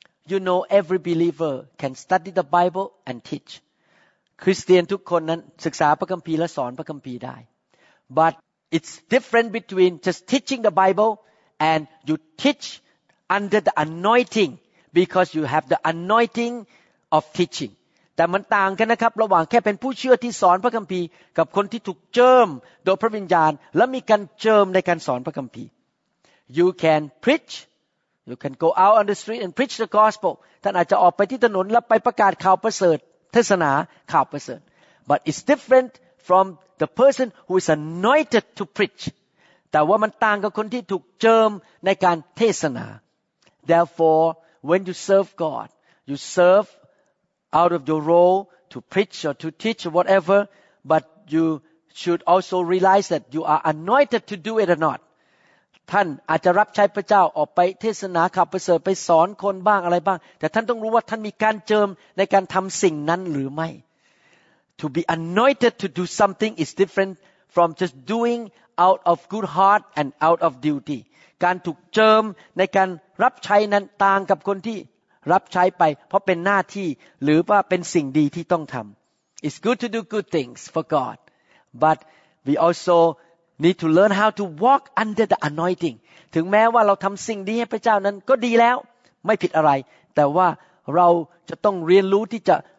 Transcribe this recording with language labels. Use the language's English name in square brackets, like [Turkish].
[English] You know every believer can study the Bible and teach [Thai] คริสเตียนทุกคนนั้นศึกษาพระคัมภีร์และสอนพระคัมภีร์ได้ [English] But it's different between just teaching the Bible and you teach under the anointing because you have the anointing of teaching [Thai] แต่มันต่างกันนะครับระหว่างแค่เป็นผู้เชื่อที่สอนพระคัมภีร์กับคนที่ถูกเจิมโดยพระวิญญาณและมีการเจิมในการสอนพระคัมภีร์ [English] You can preach. You can go out on the street and preach the gospel. [Thai] ท่านอาจจะออกไปที่ถนนแล้วไปประกาศข่าวประเสริฐเทศนาข่าวประเสริฐ [English] But it's different from the person who is anointed to preach. [Thai] แต่ว่ามันต่างกับคนที่ถูกเจิมในการเทศนา [English] Therefore, when you serve God, you serve out of your role to preach or to teach or whatever. But you should also realize that you are anointed to do it or not. [Thai] ท่านอาจจะรับใช้พระเจ้าออกไปเทศนาข่าวประเสริฐไปสอนคนบ้างอะไรบ้างแต่ท่านต้องรู้ว่าท่านมีการเจิมในการทำสิ่งนั้นหรือไม่ [English] To be anointed to do something is different from just doing out of good heart and out of duty [Thai] การถูกเจิมในการรับใช้นั้นต่างกับคนที่รับใช้ไปเพราะเป็นหน้าที่หรือว่าเป็นสิ่งดีที่ต้องทำ [English] It's good to do good things for God but we alsoneed to learn how to walk under the anointing [Thai] ถึงแม้ว่าเราทำสิ่งดีให้พระเจ้านั้นก็ดีแล้วไม่ผิดอะไรแต่ว่าเราจะต้องเรียนรู้ที่จะ